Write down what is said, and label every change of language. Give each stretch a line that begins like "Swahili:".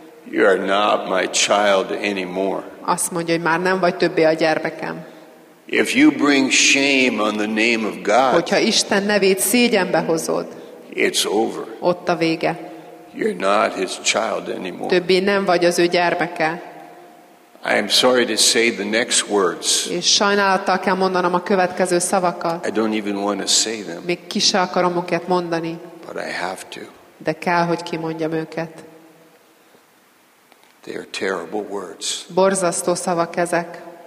English: You are not my child anymore.
Hungarian: Azt mondja, hogy már nem vagy többé a gyermekem.
English: If you bring shame on the name of God,
Hungarian: hogyha Isten nevét szégyenbe hozod,
English: it's over.
Hungarian: Ott a vége.
English: You're not his child anymore.
Hungarian: Többé nem vagy az ő gyermeke.
English: I am sorry to say the next words.
Hungarian: És sajnálattal kell mondanom a következő szavakat.
English: I don't even want to say them.
Hungarian: Még ki se akarom őket mondani.
English: But I have to.
Hungarian: De kell, hogy kimondjam őket.
English: They are terrible words.
Hungarian: Borzasztó szavak ezek.